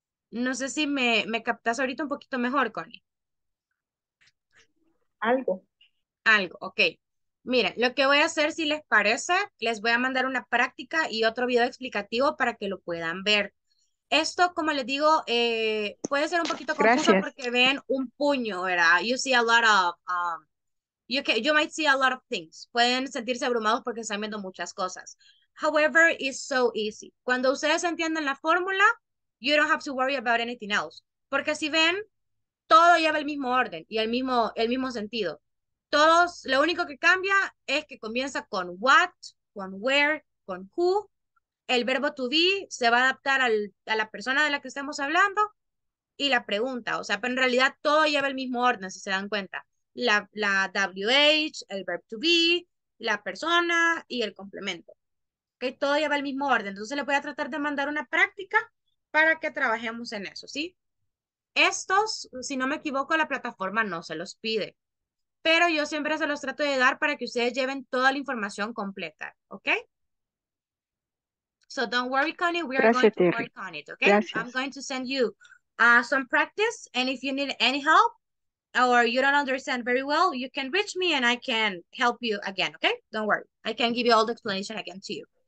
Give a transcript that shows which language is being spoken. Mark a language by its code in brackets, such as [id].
[es] No sé si me captas ahorita un poquito mejor, Connie. Algo. Algo, ok. Miren, lo que voy a hacer, si les parece, les voy a mandar una práctica y otro video explicativo para que lo puedan ver. Esto, como les digo, puede ser un poquito confuso. Gracias. Porque ven un puño, ¿verdad? [en] You see a lot of, you might see a lot of things. [es] Pueden sentirse abrumados porque están viendo muchas cosas. [en] However, it's so easy. [es] Cuando ustedes entienden la fórmula, [en] you don't have to worry about anything else. [es] Porque si ven, todo lleva el mismo orden y el mismo sentido. Todos, lo único que cambia es que comienza con what, con where, con who. El verbo to be se va a adaptar a la persona de la que estamos hablando y la pregunta. O sea, pero en realidad todo lleva el mismo orden, si se dan cuenta. La WH, el verb to be, la persona y el complemento. ¿Okay? Todo lleva el mismo orden. Entonces le voy a tratar de mandar una práctica para que trabajemos en eso, ¿sí? Estos, si no me equivoco, la plataforma no se los pide. Pero yo siempre se los trato de dar para que ustedes lleven toda la información completa, ¿ok? [en] So don't worry, Connie, we are [es] Gracias, [en] going to Terry. Work on it, ¿ok? [es] Gracias. [en] I'm going to send you some practice, and if you need any help, or you don't understand very well, you can reach me and I can help you again, ¿ok? Don't worry, I can give you all the explanation again to you.